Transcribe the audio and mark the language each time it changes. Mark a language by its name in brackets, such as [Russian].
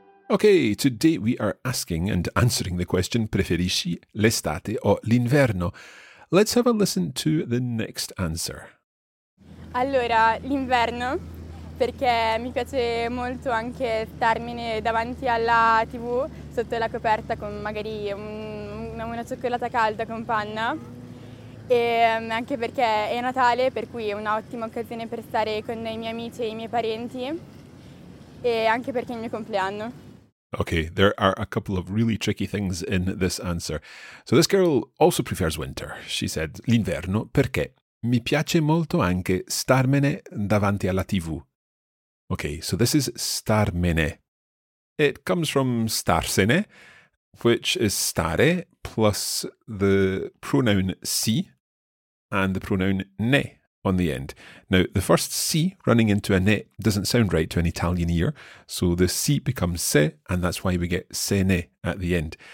[English] Okay, today we are asking and answering the question, [Italian] preferisci l'estate o l'inverno? [English] Let's have a listen to the next answer. [Italian] Allora, l'inverno, perché mi piace molto anche starmene davanti alla TV, sotto la coperta con magari una cioccolata calda con panna, e anche perché è Natale, per cui è un'ottima occasione per stare con i miei amici e i miei parenti, e anche perché è il mio compleanno. [English] Okay, there are a couple of really tricky things in this answer. So this girl also prefers winter. She said, [Italian] l'inverno, perché mi piace molto anche starmene davanti alla TV. [English] Okay, so this is starmene. It comes from starsene, which is stare, plus the pronoun si and the pronoun ne on the end. Now, the first si running into a ne doesn't sound right to an Italian ear, so the si becomes se, and that's why we get se ne at the end.